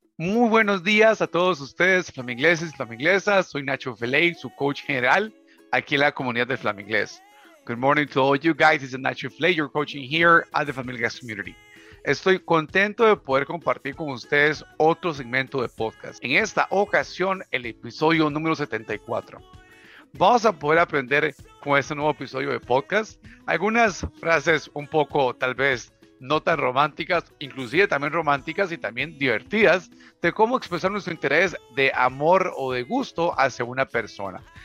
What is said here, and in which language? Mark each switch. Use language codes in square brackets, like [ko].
[es] Muy buenos días a todos ustedes, flamingleses y flamenglesas. Soy Nacho Feley, su coach general aquí en la comunidad de flamingles. [en] Good morning to all you guys. This is Nacho Feley, your coaching here at the Flamingles Community. [es] Estoy contento de poder compartir con ustedes otro segmento de podcast. En esta ocasión, el episodio número 74. Vamos a poder aprender con este nuevo episodio de podcast algunas frases un poco, tal vez, no tan románticas, inclusive también románticas y también divertidas, de cómo expresar nuestro interés de amor o de gusto hacia una persona.